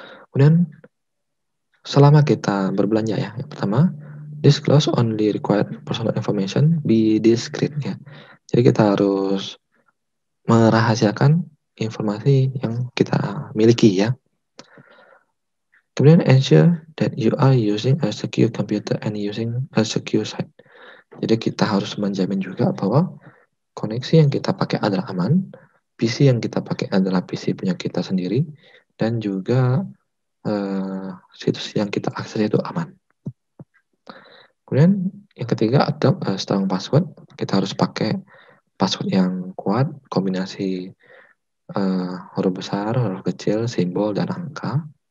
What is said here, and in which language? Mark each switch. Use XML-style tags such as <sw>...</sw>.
<id>Kemudian selama kita berbelanja ya, yang pertama,</id> <en>disclose only required personal information, be discreet</en> <id>ya. Jadi kita harus merahasiakan informasi yang kita miliki ya.</id> <en>Kemudian ensure that you are using a secure computer and using a secure site.</en> <id>Jadi kita harus menjamin juga bahwa koneksi yang kita pakai adalah aman. PC yang kita pakai adalah PC punya kita sendiri dan juga situs yang kita akses itu aman. Kemudian yang ketiga,</id> <en>adopt a strong password.</en> <id>Kita harus pakai password yang kuat, kombinasi huruf besar, huruf kecil, simbol, dan angka.</id>